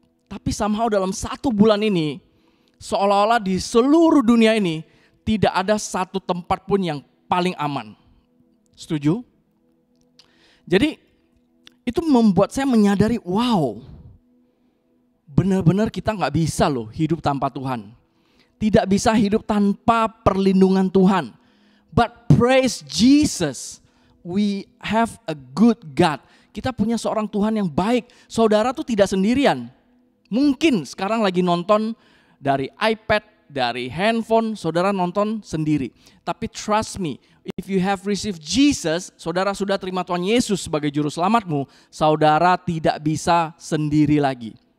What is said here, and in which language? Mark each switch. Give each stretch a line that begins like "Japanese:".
Indonesian: Tapi somehow dalam satu bulan ini, seolah-olah di seluruh dunia ini, tidak ada satu tempat pun yang paling aman. Setuju? Jadi itu membuat saya menyadari, wow, benar-benar kita gak bisa loh hidup tanpa Tuhan. Tidak bisa hidup tanpa perlindungan Tuhan.
English: But praise Jesus, we have a good God.
Indonesian: Kita punya seorang Tuhan yang baik. Saudara tuh tidak sendirian. Mungkin sekarang lagi nonton dari iPad, dari handphone, saudara nonton sendiri. Tapi
English: trust me, if you have received Jesus,
Indonesian: saudara sudah terima Tuhan Yesus sebagai juru selamatmu, saudara tidak bisa sendiri lagi.